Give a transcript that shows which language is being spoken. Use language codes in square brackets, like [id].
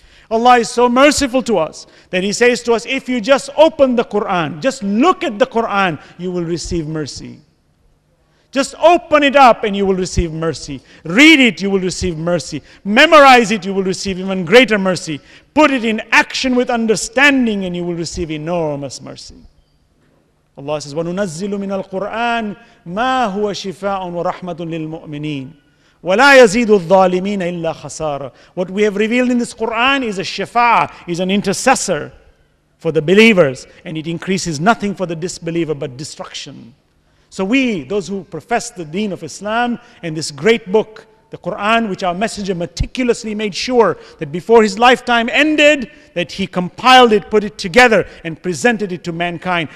[en] Allah is so merciful to us that He says to us, if you just open the Quran, just look at the Quran, you will receive mercy. Just open it up and you will receive mercy. Read it, you will receive mercy. Memorize it, you will receive even greater mercy. Put it in action with understanding and you will receive enormous mercy. [ar] Allah says, وَنُنَزِّلُ مِنَ الْقُرْآنِ مَا هُوَ شِفَاءٌ وَرَحْمَةٌ لِلْمُؤْمِنِينَ وَلَا يَزِيدُ الظَّالِمِينَ إِلَّا خَسَارًا. [en] What we have revealed in this Quran is a shifa, is an intercessor for the believers, and it increases nothing for the disbeliever but destruction. So we, those who profess the deen of Islam and this great book, the Quran, which our messenger meticulously made sure that before his lifetime ended, that he compiled it, put it together, and presented it to mankind.